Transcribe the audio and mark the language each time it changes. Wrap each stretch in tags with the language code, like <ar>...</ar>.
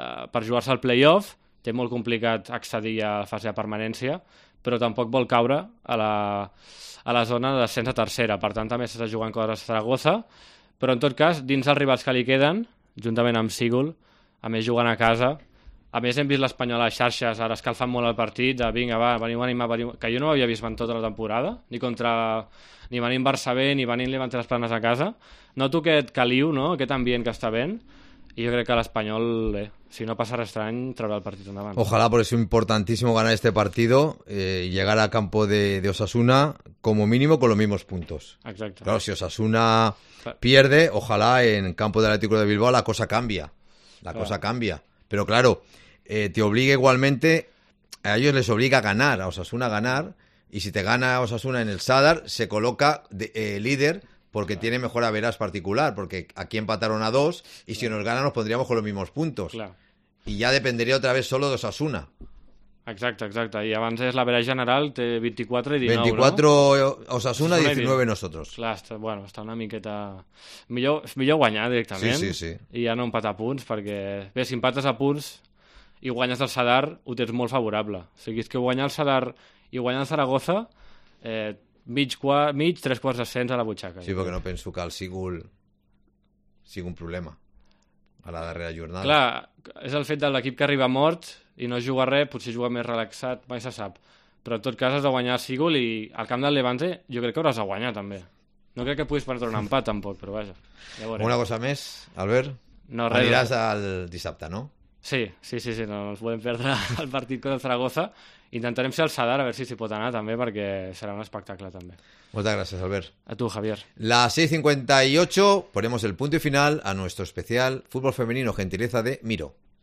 <ca>per jugar-se al play-off, té molt complicat accedir a la fase de permanència, però tampoc vol caure a la zona de descens a tercera, per tant també s'està jugant coses a Saragossa, però en tot cas, dins els rivals que li queden, juntament amb Sigul, a més jugant a casa, a més hem vist l'Espanyol a les xarxes, ara escalfant molt el partit, de vinga, va, veniu a animar, veniu, que jo no ho havia vist en tota la temporada, ni contra, ni venint Barça bé, ni venint Levante les Planes a casa, noto aquest caliu, no? Aquest ambient que està ben, i jo crec que l'Espanyol, si no passa res estrany, traurà el partit endavant.</ca> <es>Ojalá, porque es importantísimo ganar este partido y llegar al campo de Osasuna como mínimo con los mismos puntos.</es> <ca>Exacte.</ca> <es>Claro, si Osasuna pierde, ojalá en campo del Atlético de Bilbao la cosa cambia. La cosa cambia. Pero claro, te obliga igualmente, a ellos les obliga a ganar, a Osasuna a ganar, y si te gana Osasuna en el Sadar, se coloca líder porque claro. Tiene mejor averaz particular, porque aquí empataron a 2, y claro. Si nos gana nos pondríamos con los mismos puntos. Claro. Y ya dependería otra vez solo de Osasuna.</es> <ca>Exacte. I abans és la vera general, té 24 i 19, 24, no?</ca> <es>24 Osasuna, 19 nosotros.</es> <ca>Clar, està una miqueta... Millor guanyar directament. Sí. I ja no empatar punts, perquè... Bé, si empates a punts i guanyes el Sadar, ho tens molt favorable. O sigui, és que guanyar el Sadar i guanyar el Zaragoza, mig, tres quarts de cents a la butxaca. Sí, perquè no penso que el Sigul sigui un problema a la darrera jornada. Clar, és el fet de l'equip que arriba mort i no juga res, potser juga més relaxat, mai se sap. Però en tot cas has de guanyar el Sigul i al camp del Levante jo crec que hauràs de guanyar també. No crec que puguis perdre un empat tampoc, però vaja. Ja veurem. Una cosa més, Albert? No, res. Aniràs el dissabte, no? Sí. No ens podem perdre el partit contra Zaragoza. Intentarem ser al Sadar a veure si s'hi pot anar també perquè serà un espectacle també. Moltes gràcies, Albert. A tu, Javier.</ca> <es>Las 6:58, ponemos el punto y final a nuestro especial Fútbol Femenino, gentileza de Miro.</es>